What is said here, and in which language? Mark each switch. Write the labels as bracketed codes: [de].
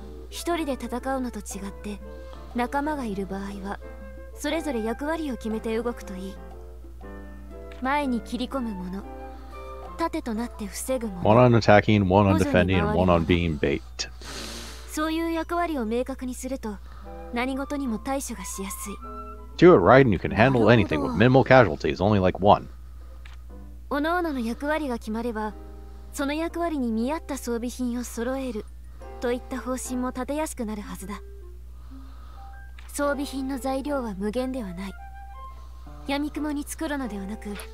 [ja] 一人で戦うのと違って、仲間がいる場合はそれぞれ役割を決めて動くといい。前に切り込むもの、盾となって防ぐもの、 [en] One on attacking, one on defending, and one on being bait. [ja] そういう役割を明確にすると何事にも対処がしやすい。 [en] Do it right and you can handle anything with minimal casualties, only like one. [ja] 各々の役割が決まれば、その役割に見合った装備品を揃えるといった方針も立てやすくなるはずだ。装備品の材料は無限ではない。闇雲に作るのではなく、